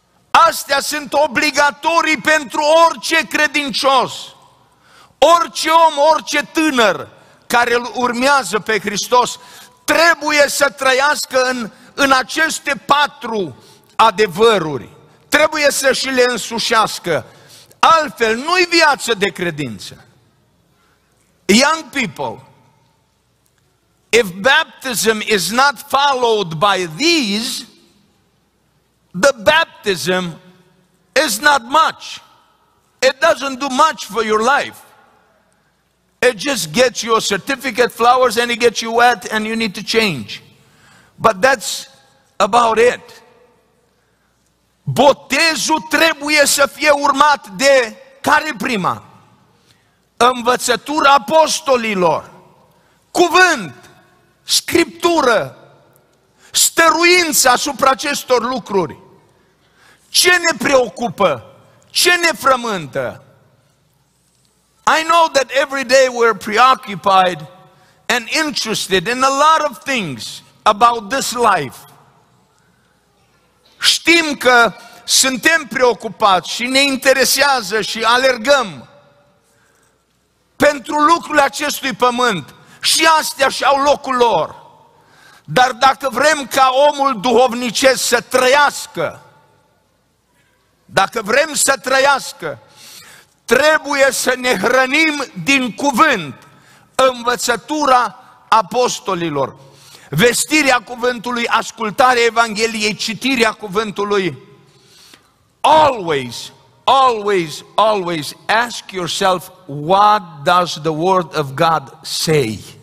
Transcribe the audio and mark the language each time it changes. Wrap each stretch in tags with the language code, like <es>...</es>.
<ro>Astea sunt obligatorii pentru orice credincios, orice om, orice tânăr care îl urmează pe Hristos trebuie să trăiască în aceste patru adevăruri. Trebuie să și le însușească. Altfel, nu-i viață de credință.</ro> <en>Young people, if baptism is not followed by these, the baptism is not much. It doesn't do much for your life. It just gets you a certificate, flowers, and it gets you wet, and you need to change. But that's about it.</en> <ro>Botezul trebuie să fie urmat de care prima? Învățătura apostolilor. Cuvânt, scriptură, stăruință asupra acestor lucruri. Ce ne preocupă? Ce ne frământă?</ro> <en>I know that every day we're preoccupied and interested in a lot of things about this life.</en> <ro>Știm că suntem preocupați și ne interesează și alergăm pentru lucrurile acestui pământ. Și astea și-au locul lor. Dar dacă vrem ca omul duhovnicesc să trăiască, dacă vrem să trăiască, trebuie să ne hrănim din cuvânt, învățătura apostolilor, vestirea cuvântului, ascultarea Evangheliei, citirea cuvântului.</ro> <en>Always, always, always ask yourself, what does the word of God say?</en>